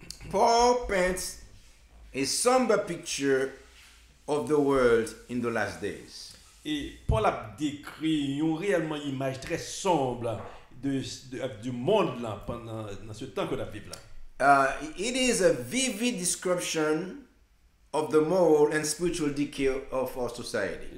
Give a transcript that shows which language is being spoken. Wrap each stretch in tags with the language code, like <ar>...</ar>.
<en>Paul paints a somber picture of the world in the last days.</en> <fr>Et Paul a décrit une réellement image très sombre du monde là pendant dans ce temps que la Bible.</fr> <en>It is a vivid description of the moral and spiritual decay of our society.</en>